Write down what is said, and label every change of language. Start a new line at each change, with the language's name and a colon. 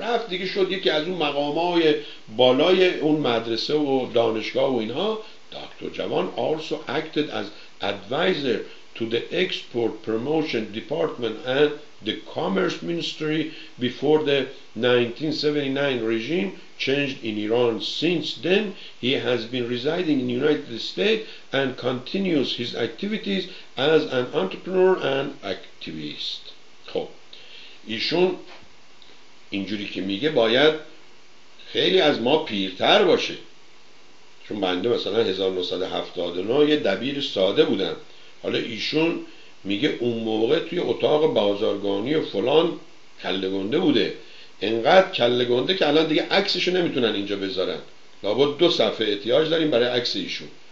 Persian: رفت دیگه شد یکی از اون مقامای بالای اون مدرسه و دانشگاه و اینها.
English: دکتر جوان also acted as advisor to the export promotion department and the commerce ministry before the 1979 regime changed in Iran. Since then he has been residing in United States and continues his activities as an entrepreneur and activist.
Persian: خب ایشون اینجوری که میگه باید خیلی از ما پیرتر باشه، چون بنده مثلا 1979 یه دبیر ساده بودم، حالا ایشون میگه اون موقع توی اتاق بازرگانی و فلان کله گنده بوده، انقدر کله گنده که الان دیگه عکسشو نمیتونن اینجا بذارن، لابد دو صفحه احتیاج داریم برای عکس ایشون.